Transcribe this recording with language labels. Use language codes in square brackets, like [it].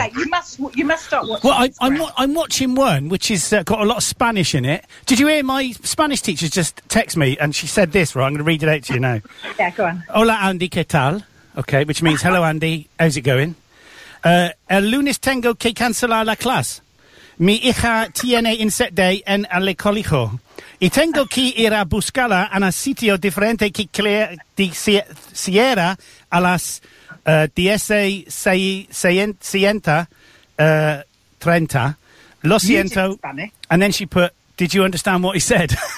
[en] Anyway, you must start watching. Well, I'm watching one which has got a lot of Spanish in it. Did you hear my Spanish teacher just text me and she said this, right? I'm going to read it out to you now. Yeah, go on. [es] Hola, Andy, ¿qué tal? [en] Okay, which means hello, Andy, how's it going? [es] El lunes tengo que cancelar la clase. Mi hija tiene [en] inset day [es] en el colegio. Y tengo que ir a buscarla en un sitio diferente que cierra a las 10:30. Lo siento. [en] And then she put, did you understand what he said?